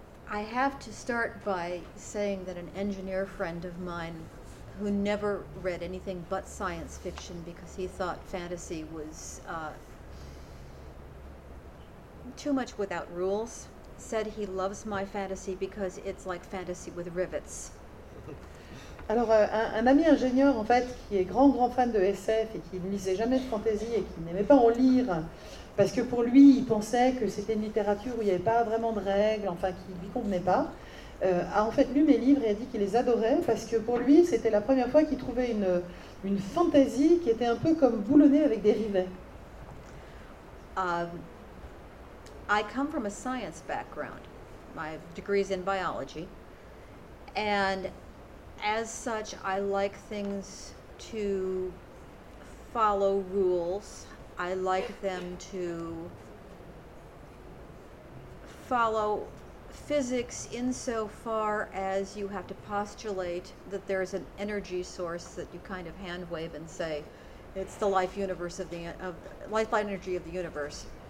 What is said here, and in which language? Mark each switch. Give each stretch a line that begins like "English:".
English: I have to start by saying that an engineer friend of mine who never read anything but science fiction because he thought fantasy was too much without rules. said he loves my fantasy because it's like fantasy with rivets.
French: Alors, un ami ingénieur, en fait, qui est grand fan de SF et qui ne lisait jamais de fantasy et qui n'aimait pas en lire, parce que pour lui, il pensait que c'était une littérature où il n'y avait pas vraiment de règles, enfin, qui ne lui convenait pas, a en fait lu mes livres et a dit qu'il les adorait, parce que pour lui, c'était la première fois qu'il trouvait une fantasy qui était un peu comme boulonnée avec des rivets.
English: I come from a science background. My degree is in biology. And as such, I like things to follow rules. I like them to follow physics insofar as you have to postulate that there's an energy source that you kind of hand wave and say, it's the life universe of the lifeline energy of the universe.